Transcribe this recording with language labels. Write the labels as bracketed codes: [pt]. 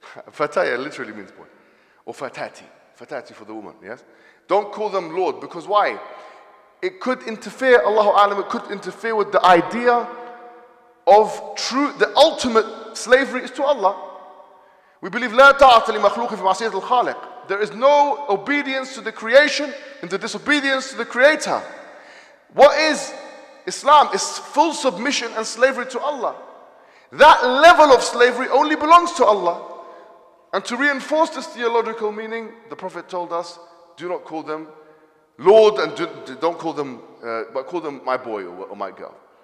[en] Fataya literally means boy. Or Fatati. Fatati for the woman, yes? Don't call them Lord, because why? It could interfere, Allahu A'lam, it could interfere with the idea of true, the ultimate slavery is to Allah. We believe, [ar] لا تعطى لمخلوق في معصية الخالق. [en] There is no obedience to the creation and the disobedience to the creator. What is Islam? It's full submission and slavery to Allah. That level of slavery only belongs to Allah. And to reinforce this theological meaning, the Prophet told us, do not call them Lord, and don't call them, but call them my boy or my girl.